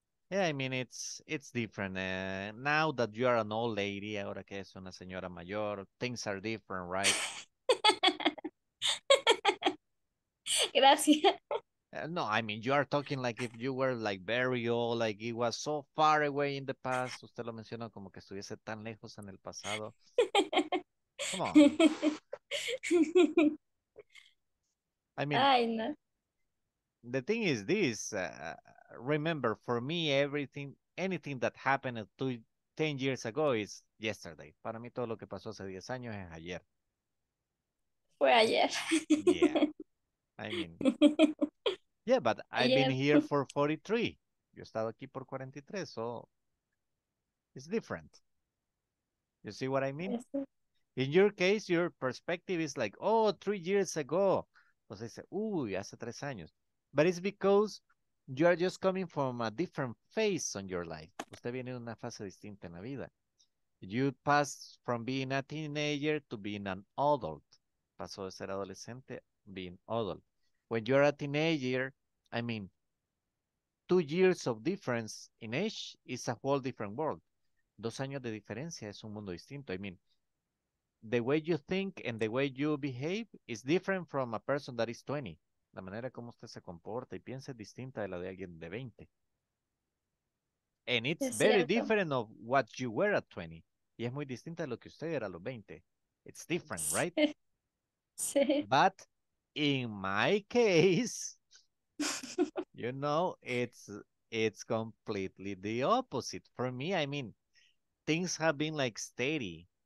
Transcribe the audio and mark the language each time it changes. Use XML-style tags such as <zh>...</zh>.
<en>Yeah, I mean, it's different. Now that you are an old lady,</en> <es>ahora que es una señora mayor,</es> <en>things are different, right?</en> <es>Gracias.</es> <en>No, I mean, you are talking like if you were like very old, like it was so far away in the past.</en> <es>Usted lo mencionó como que estuviese tan lejos en el pasado.</es> <en>Come on. I mean, I know. The thing is this. Remember, for me, anything that happened 10 years ago is yesterday.</en> <es>Para mí, todo lo que pasó hace 10 años es ayer. Fue ayer.</es> <en>Yeah. I mean, yeah, but I've been here for 43.</en> <es>Yo he estado aquí por 43,</es> <en>so it's different. You see what I mean? In your case, your perspective is like, oh, 3 years ago.</en> <es>Pues dice, uy, hace 3 años.</es> <en>But it's because you are just coming from a different phase on your life.</en> <es>Usted viene de una fase distinta en la vida.</es> <en>You pass from being a teenager to being an adult.</en> <es>Pasó de ser adolescente</es> <en>being adult. When you're a teenager, I mean, 2 years of difference in age is a whole different world.</en> <es>2 años de diferencia es un mundo distinto.</es> <en>I mean, the way you think and the way you behave is different from a person that is 20.</en> <es>La manera como usted se comporta y piensa es distinta de la de alguien de 20.</es> <en>And it's very different of what you were at 20.</en> <es>Y es muy distinta de lo que usted era a los 20.</es> <en>It's different, right?</en> <es>Sí.</es> <en>But in my case, you know, it's completely the opposite. For me, I mean, things have been like steady.</en>